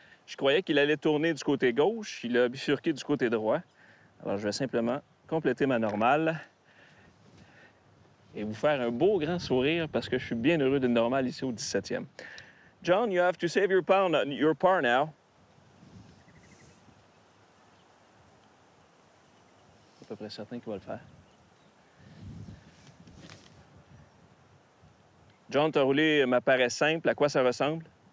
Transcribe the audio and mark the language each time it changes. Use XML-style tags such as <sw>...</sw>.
<fr>Je croyais qu'il allait tourner du côté gauche. Il a bifurqué du côté droit. Alors, je vais simplement compléter ma normale et vous faire un beau grand sourire parce que je suis bien heureux d'une normale ici au 17e.</fr> <en>John, you have to save your par now.</en> <fr>À peu près certain qu'il va le faire. John, t'as roulé, m'apparaît simple. À quoi ça ressemble?</fr>